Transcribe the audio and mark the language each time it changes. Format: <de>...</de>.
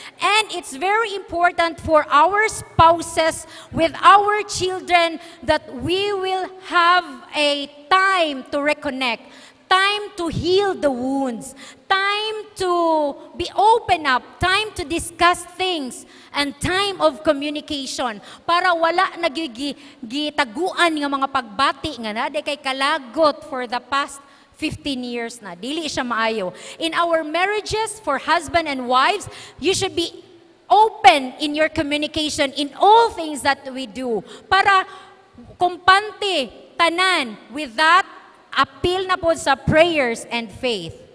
<en>And it's very important for our spouses with our children that we will have a time to reconnect, time to heal the wounds, time to be open up, time to discuss things, and time of communication.</en> <ceb>Para wala nagigitaguan ng mga pagbati nga na de kay kalagot</ceb> <en>for the past 15 years</en> <ceb>na. Dili siya maayo.</ceb> <en>In our marriages for husband and wives, you should be open in your communication in all things that we do.</en> <ceb>Para kumpante, tanan,</ceb> <en>with that,</en> <ceb>appeal na po sa prayers and faith.</ceb>